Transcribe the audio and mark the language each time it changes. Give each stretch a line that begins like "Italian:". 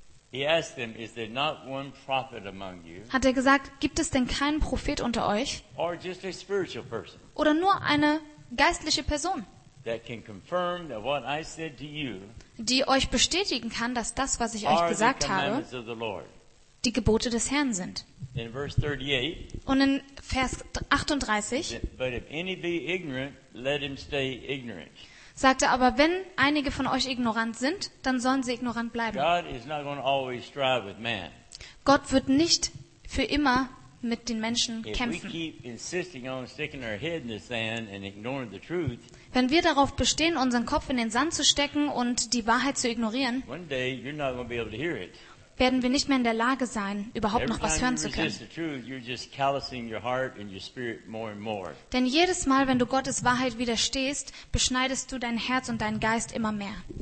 English: He asked them, is there not one prophet among you?
German: Hat er gesagt, gibt es denn keinen Prophet unter euch?
English: Or just a spiritual person?
German: Oder nur eine geistliche Person?
English: That can confirm that what I said to you,
German: die euch bestätigen kann, dass das, was ich euch gesagt habe, die Gebote des Herrn sind.
English: In verse 38,
German: und in Vers 38,
English: but if any be ignorant, let him stay ignorant.
German: Sagt er aber, wenn einige von euch ignorant sind, dann sollen sie ignorant bleiben.
English: God is not going to always strive with man.
German: Gott wird nicht für immer mit den Menschen kämpfen.
English: If we keep insisting on sticking our head in the sand and ignoring the truth,
German: wenn wir darauf bestehen, unseren Kopf in den Sand zu stecken und die Wahrheit zu ignorieren, werden wir nicht mehr in der Lage sein, überhaupt noch was hören zu können. Denn jedes Mal, wenn du Gottes Wahrheit widerstehst, beschneidest du dein Herz und deinen Geist immer mehr.